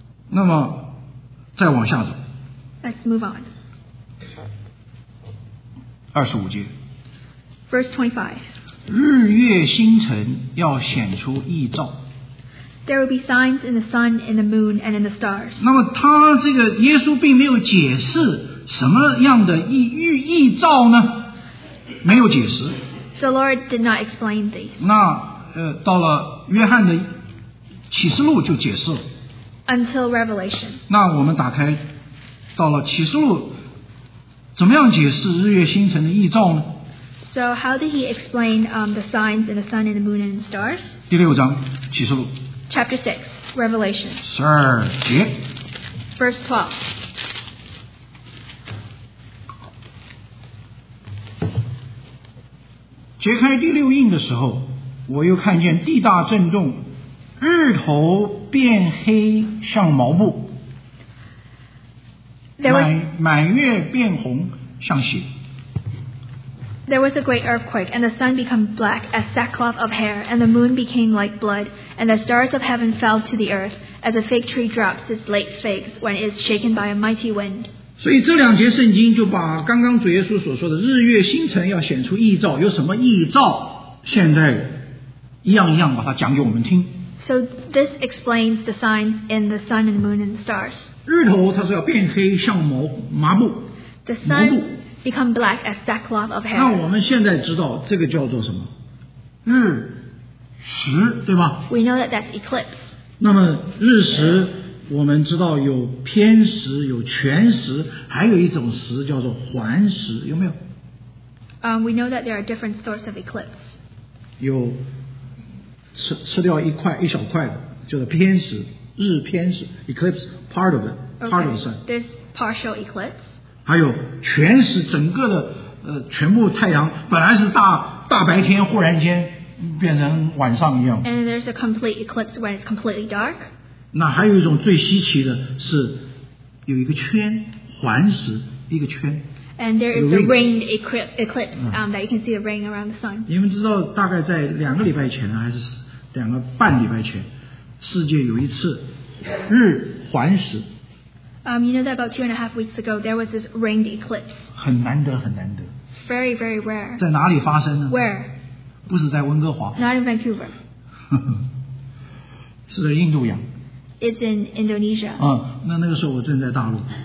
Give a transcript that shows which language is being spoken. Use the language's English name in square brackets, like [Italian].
[Chinese] 那么再往下走。 [English] Let's move on. [Chinese] 25节。 [English] Verse 25. [Chinese] 日月星辰要显出异兆。 [English] There will be signs in the sun, in the moon, and in the stars. [Chinese] 那么他这个耶稣并没有解释什么样的异兆呢？没有解释。 [English] The Lord did not explain these. [Chinese] 那到了约翰的启示录就解释了。 [English] Until Revelation. [Chinese] 那我们打开到了启示录，怎么样解释日月星辰的异兆呢？ [English] So how did he explain the signs in the sun and the moon and the stars? [Chinese] 第六章启示录。 [English] Chapter 6, Revelation. [Chinese] 十二节。 [English] Verse 12. [Chinese] 揭开第六印的时候，我又看见地大震动，日头变黑像毛布，满月变红像血。 [English] There was a great earthquake, and the sun became black as sackcloth of hair, and the moon became like blood, and the stars of heaven fell to the earth, as a fig tree drops its late figs when it is shaken by a mighty wind. [Chinese] 所以这两节圣经就把刚刚主耶稣所说的日月星辰要显出异兆，有什么异兆？现在一样一样把它讲给我们听。 [English] So this explains the signs in the sun and moon and stars. [Chinese] 日头它是要变黑像麻布。 [English] The sun become black as sackcloth of hair. [Chinese] 那我们现在知道这个叫做什么？日食，对吗？ [English] We know that that's eclipse. [Chinese] 那么日食，我们知道有偏食，有全食，还有一种食叫做环食，有没有？ [English] We know that there are different sorts of eclipse. [Chinese] 有吃掉一块一小块的，就是偏食，日偏食 [English] eclipse part of it, part of the sun. There's partial eclipse. [Chinese] 还有全是整个的全部太阳本来是大白天忽然间变成晚上一样。 [English] And there's a complete eclipse when it's completely dark. [Chinese] 那还有一种最稀奇的是有一个圈环食一个圈。 [English] And there is a ringed eclipse, that you can see a ring around the sun. [Chinese] 你们知道大概在两个礼拜前还是两个半礼拜前世界有一次日环食。 [English] You know that about 2.5 weeks ago, there was this ringed eclipse. [Chinese] 很难得，很难得。 [English] It's very, very rare. [Chinese] 在哪里发生呢？ [English] Where? [Chinese] 不是在温哥华。 [English] Not in Vancouver. [Chinese] 是在印度洋。 [English] It's in Indonesia. [Chinese] 那个时候我正在大陆。